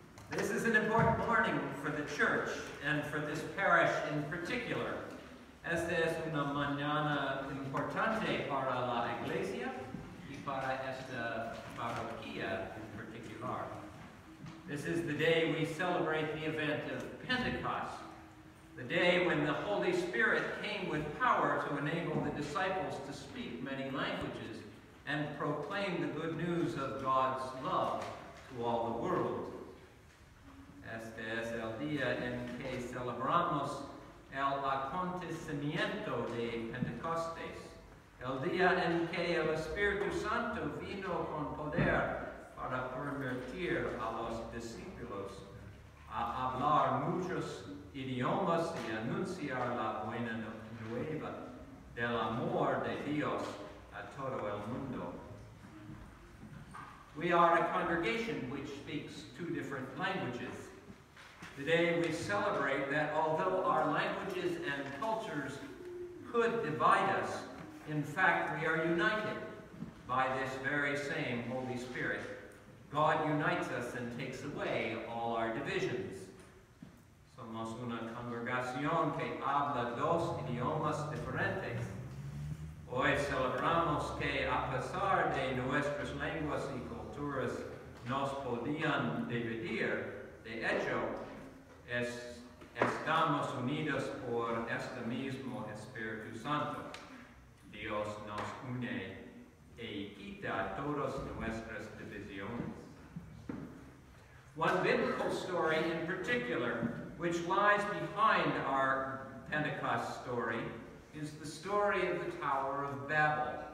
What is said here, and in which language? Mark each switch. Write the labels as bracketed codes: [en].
[en] This is an important morning for the church and for this parish in particular. [es] Esta es una mañana importante para la iglesia y para esta parroquia [en] in particular. This is the day we celebrate the event of Pentecost, the day when the Holy Spirit came with power to enable the disciples to speak many languages and proclaim the good news of God's love to all the world. [es] Este es el día en que celebramos el acontecimiento de Pentecostés, el día en que el Espíritu Santo vino con poder para permitir a los discípulos a hablar muchos idiomas y anunciar la buena nueva del amor de Dios a todo el mundo. [en] We are a congregation which speaks two different languages. Today we celebrate that although our languages and cultures could divide us, in fact we are united by this very same Holy Spirit. God unites us and takes away all our divisions. [es] Somos una congregación que habla dos idiomas diferentes. Hoy celebramos que a pesar de nuestras lenguas y culturas nos podían dividir, de hecho, estamos unidos por este mismo Espíritu Santo. Dios nos une e quita todas nuestras divisiones. [en] One biblical story in particular, which lies behind our Pentecost story, is the story of the Tower of Babel.